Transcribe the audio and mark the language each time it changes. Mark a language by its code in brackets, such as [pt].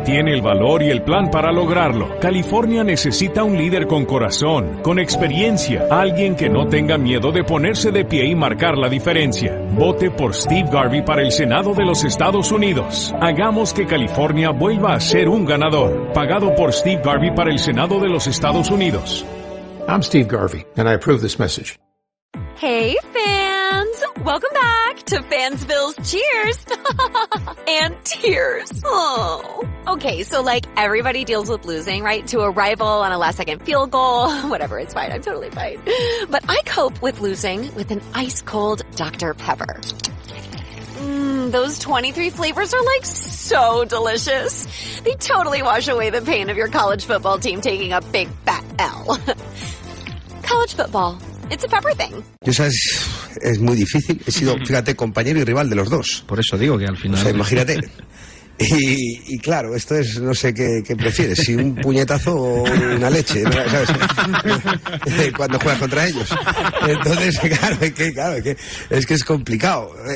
[es] Tiene el valor y el plan para lograrlo. California necesita un líder con corazón, con experiencia, alguien que no tenga miedo de ponerse de pie y marcar la diferencia. Vote por Steve Garvey para el Senado de los Estados Unidos. Hagamos que California vuelva a ser un ganador. Pagado por Steve Garvey para el Senado de los Estados Unidos. [en] I'm Steve Garvey, and I approve this message. Hey, fans! Welcome back to Fansville's Cheers! And tears. Oh. Okay, so like everybody deals with losing, right? To a rival on a last-second field goal. Whatever, it's fine. I'm totally fine. But I cope with losing with an ice-cold Dr. Pepper. Those 23 flavors are like so delicious. They totally wash away the pain of your college football team taking a big fat L. College football, it's a pepper thing. [es] Yo sabes, es muy difícil. He sido, fíjate, compañero y rival de los dos. Por eso digo que al final... O sea, imagínate. Y claro, esto es, no sé qué prefieres, si un puñetazo o una leche, ¿sabes? Cuando juegas contra ellos. Entonces, claro, es que es complicado.